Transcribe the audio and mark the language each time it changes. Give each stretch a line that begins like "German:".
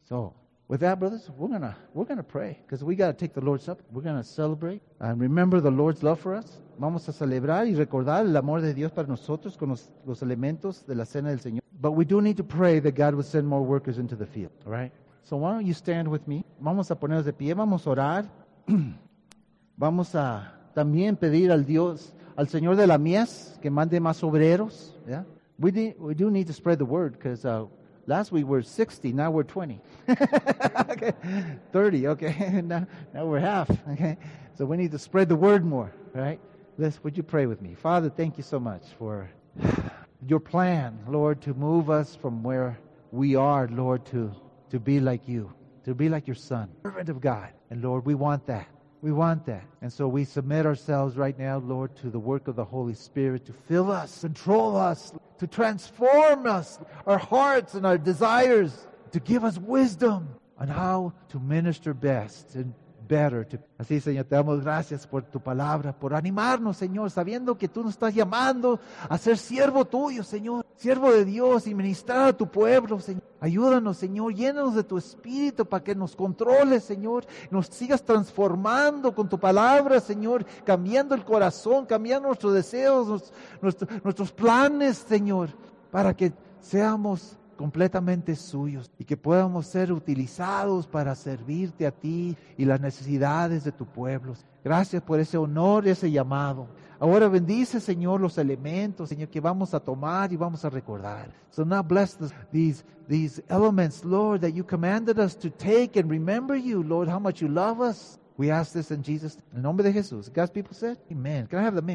English: So with that, brothers, we're gonna pray, because we got to take the Lord's Supper. We're going to celebrate and remember the Lord's love for us.
Spanish: Vamos a celebrar y recordar el amor de Dios para nosotros con los elementos de la cena del Señor.
English: But we do need to pray that God will send more workers into the field, all right? So why don't you stand with me?
Spanish: Vamos a ponernos de pie, vamos a orar. Vamos a también pedir al Dios, al Señor de la mies, que mande más obreros.
English: Yeah? We do need to spread the word, because last week we were 60, now we're 20. Okay. 30, okay. Now we're half, okay. So we need to spread the word more, right? Liz, would you pray with me? Father, thank you so much for your plan, Lord, to move us from where we are, Lord, to be like you, to be like your Son, servant of God. And Lord, we want that. We want that. And so we submit ourselves right now, Lord, to the work of the Holy Spirit to fill us, control us, to transform us, our hearts and our desires, to give us wisdom on how to minister best and better.
Spanish: Así, Señor, te damos gracias por tu palabra, por animarnos, Señor, sabiendo que tú nos estás llamando a ser siervo tuyo, Señor, siervo de Dios y ministrar a tu pueblo, Señor. Ayúdanos, Señor, llénanos de tu Espíritu para que nos controles, Señor, nos sigas transformando con tu palabra, Señor, cambiando el corazón, cambiando nuestros deseos, nuestros planes, Señor, para que seamos completamente suyos y que podamos ser utilizados para servirte a ti y las necesidades de tu pueblo. Gracias por ese honor y ese llamado. Ahora bendice, Señor, los elementos, Señor, que vamos a tomar y vamos a recordar.
English: So now bless these elements, Lord, that you commanded us to take and remember you, Lord, how much you love us. We ask this in Jesus, in the name of Jesus. God's people said, amen. Can I have the amen?